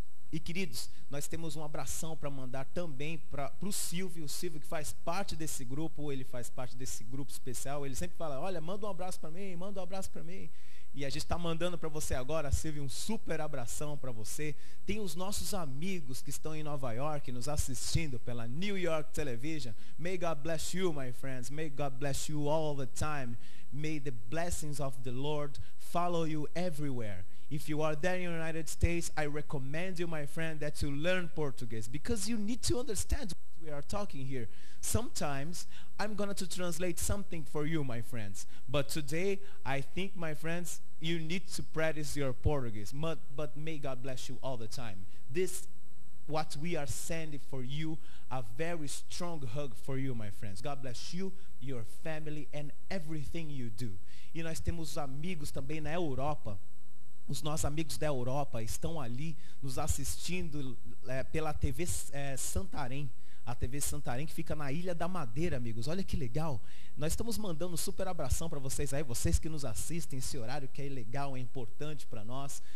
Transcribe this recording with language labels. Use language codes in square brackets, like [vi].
[pt] E, queridos, nós temos um abração para mandar também para o Silvio, que faz parte desse grupo, ele faz parte desse grupo especial. Ele sempre fala, olha, manda um abraço para mim, manda um abraço para mim. E a gente está mandando para você agora, Silvio, um super abração para você. Tem os nossos amigos que estão em Nova York, nos assistindo pela New York Television. [en] May God bless you, my friends. May God bless you all the time. May the blessings of the Lord follow you everywhere. If you are there in the United States, I recommend you, my friend, that you learn Portuguese. Because you need to understand what we are talking here. Sometimes, I'm going to translate something for you, my friends. But today, I think, my friends, you need to practice your Portuguese. But may God bless you all the time. This, what we are sending for you, a very strong hug for you, my friends. God bless you, your family, and everything you do. [pt] E nós temos amigos também na Europa. Os nossos amigos da Europa estão ali nos assistindo pela TV Santarém. A TV Santarém, que fica na Ilha da Madeira, amigos. Olha que legal. Nós estamos mandando super abração para vocês aí, vocês que nos assistem, esse horário que é legal, é importante para nós.